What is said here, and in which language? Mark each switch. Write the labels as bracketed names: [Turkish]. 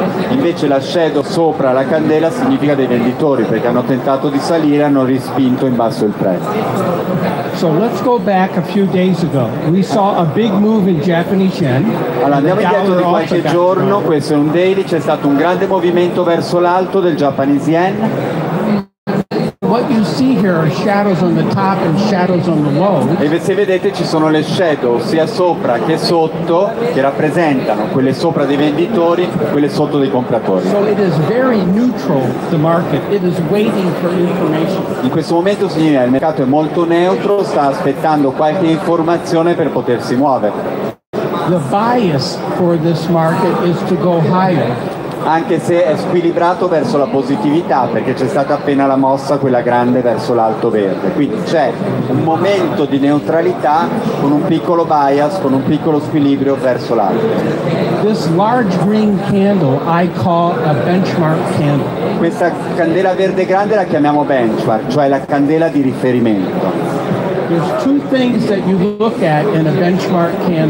[Italian] Invece la shadow sopra la candela significa dei venditori, perché hanno tentato di salire e hanno respinto in basso il prezzo. [English] So let's go back a few days ago. We saw a big move in Japanese yen. [Italian] Allora andiamo indietro di qualche giorno, questo è un daily, c'è stato un grande movimento verso l'alto del Japanese yen. [English] What you see here are shadows on the top and shadows on the low. [Italian] E se vedete ci sono le shadow sia sopra che sotto, che rappresentano quelle sopra dei venditori, quelle sotto dei compratori. [English] So it is very neutral, the market. It is waiting for information. [Italian] In questo momento, signori, il mercato è molto neutro, sta aspettando qualche informazione per potersi muovere. [English] The bias for this market is to go higher. [Italian] Anche se è squilibrato verso la positività, perché c'è stata appena la mossa, quella grande, verso l'alto verde. Quindi c'è un momento di neutralità con un piccolo bias, con un piccolo squilibrio verso l'alto. [English] This large green candle I call a benchmark candle. [Italian] Questa candela verde grande la chiamiamo benchmark, cioè la candela di riferimento. [English] There's two things that you look at in a benchmark candle.